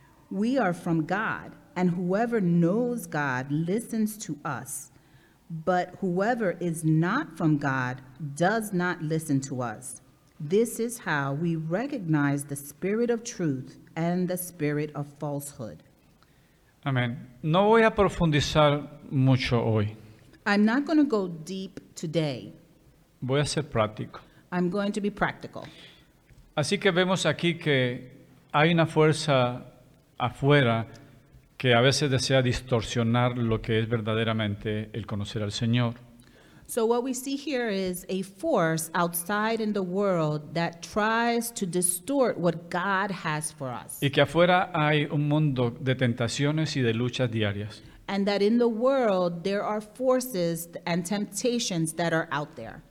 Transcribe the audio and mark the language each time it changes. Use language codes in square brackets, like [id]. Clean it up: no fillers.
[en] We are from God, and whoever knows God listens to us. But whoever is not from God does not listen to us. This is how we recognize the spirit of truth and the spirit of falsehood. Amen. [es] No voy a profundizar mucho hoy. [en] I'm not going to go deep today. [es] Voy a ser práctico. [en] I'm going to be practical. [es] Así que vemos aquí que hay una fuerza afuera que a veces desea distorsionar lo que es verdaderamente el conocer al Señor. [en] So what we see here is a force outside in the world that tries to distort what God has for us. [es] Y que afuera hay un mundo de tentaciones y de luchas diarias. [en] And that in the world there are forces and temptations that are out there.